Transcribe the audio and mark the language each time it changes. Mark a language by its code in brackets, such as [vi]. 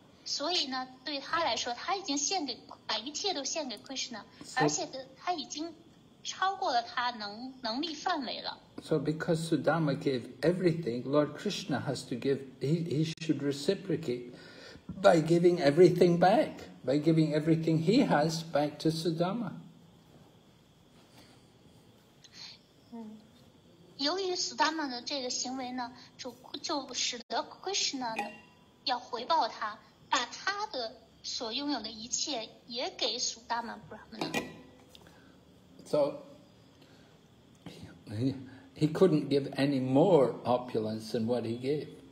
[zh] 所以呢，对他来说，他已经献给把一切都献给 Krishna， 而且他已经超过了他能力范围了。 [en] So because Sudama gave everything, Lord Krishna has to give. He should reciprocate by giving everything back, by giving everything he has back to Sudama. [zh] 由于 Sudama 的这个行为呢，就使得 Krishna 呢要回报他。把他的所拥有的一切也给苏达曼布拉曼。 [en] So he couldn't give any more opulence than what he gave.